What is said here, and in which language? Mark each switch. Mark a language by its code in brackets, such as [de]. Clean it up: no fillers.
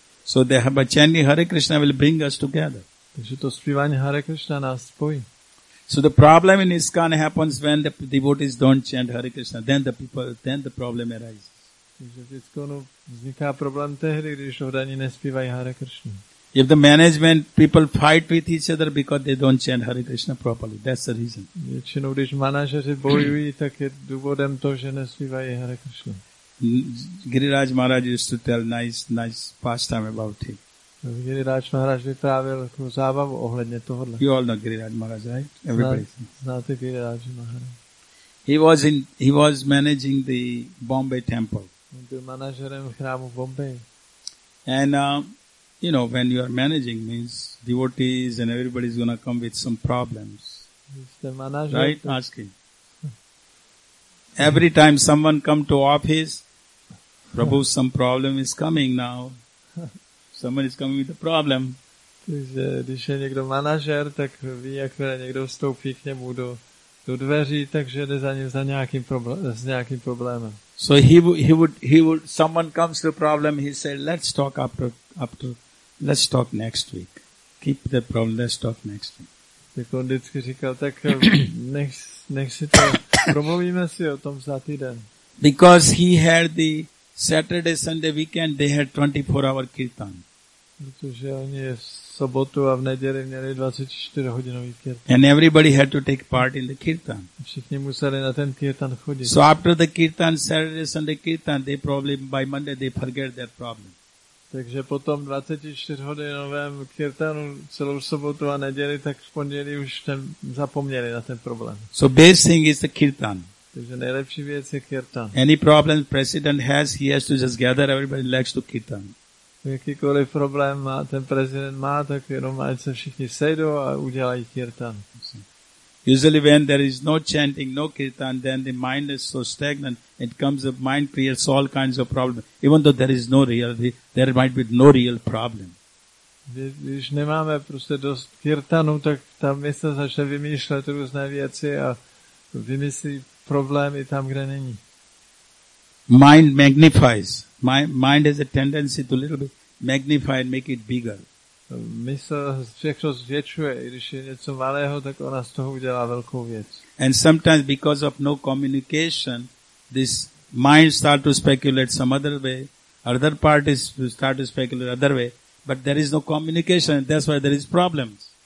[en] So they have a chanting Hare Krishna will bring us together. [cs] Takže to zpívání Hare Krishna nás spojí. [en] So the problem in ISKCON happens when the devotees don't chant Hare Krishna. Then the problem arises. [cs] Takže v ISKCONu vzniká problém tehdy, když odaní nespívají Hare Krishna. [en] If the management people fight with each other because they don't chant Hare Krishna properly, that's the reason. [cs] Většinou, když manažeři bojují, tak je důvodem to, že nespívají Hare Krishna. [en] Giriraj Maharaj used to tell nice pastime about him. [cs] Giriraj Maharaj vyprávěl takovou zábavu ohledně tohohle. [en] You all know Giriraj Maharaj, right? Everybody. [cs] Znáte Giriraj Maharaj. [en] He was managing the Bombay temple. [cs] Byl manažerem chrámu v Bombay. [en] And you know, when you are managing, means devotees and everybody is going to come with some problems. Right? Ask him. Every time someone come to office, Prabhu, some problem is coming now. Someone is coming with a problem. [cs] Takže když je někdo manažer, tak ví, jakmile někdo vstoupí k němu do dveří, takže jde za ním za nějakým s nějakým problémem. [en] So he would someone comes to problem, he say, let's talk next week. Keep the problem, let's talk next week. [cs] Tak on vždycky říkal, tak nech si to promluvíme si o tom za týden. [en] Because he had the Saturday, Sunday weekend, they had 24-hour kirtan. [cs] Protože oni v sobotu a v neděli měli 24-hodinový kirtan. [en] And everybody had to take part in the kirtan. [cs] Všichni museli na ten kirtan chodit. [en] So after the kirtan, Saturday, Sunday kirtan, they probably by Monday they forget their problem. [cs] Takže potom 24-hodinovém kirtanu celou sobotu a neděli, tak v pondělí už ten zapomněli na ten problém. [en] So best thing is the kirtan. [cs] Takže nejlepší věc je kirtan. [en] Any problem president has, he has to just gather everybody legs to kirtan. [cs] Jakýkoliv problém má, ten prezident má, tak jenom ať se všichni sejdou a udělají kirtan. [en] Usually when there is no chanting, no kirtan, then the mind is so stagnant, it comes up, mind creates all kinds of problems. Even though there is no reality, there might be no real problem. [cs] Když nemáme prostě dost kirtanu, tak ta mysl začne vymýšlet různé věci a vymyslí problémy tam, kde není. [en] Mind magnifies. Mind has a tendency to little bit magnify and make it bigger. [cs] Mysl všechno zvětšuje, i když je něco malého, tak ona z toho udělá velkou věc. [en] And sometimes because of no communication, this mind starts to speculate some other way, other parties start to speculate other way, but there is no communication, and that's why there is problems.